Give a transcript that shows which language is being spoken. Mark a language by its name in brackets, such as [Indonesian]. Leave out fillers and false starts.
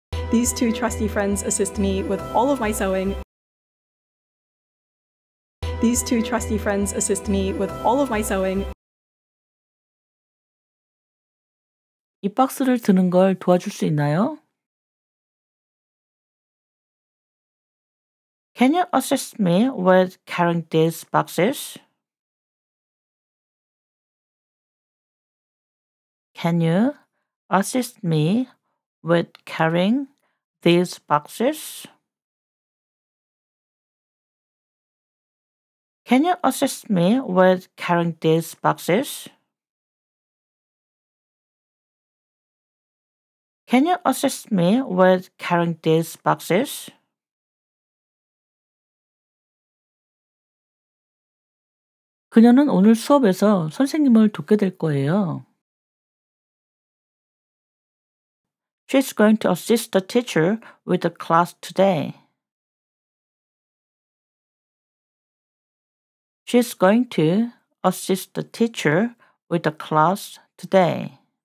[English] These two trusty friends assist me with all of my sewing. These two trusty friends assist me with all of my sewing. [Korean] 이 박스를 드는 걸 도와줄 수 있나요? [English] Can you assist me with carrying these boxes? Can you assist me with carrying these boxes? Can you assist me with carrying these boxes? Can you assist me with carrying these boxes? [Korean] 그녀는 오늘 수업에서 선생님을 돕게 될 거예요. [English] She's going to assist the teacher with the class today. She's going to assist the teacher with the class today.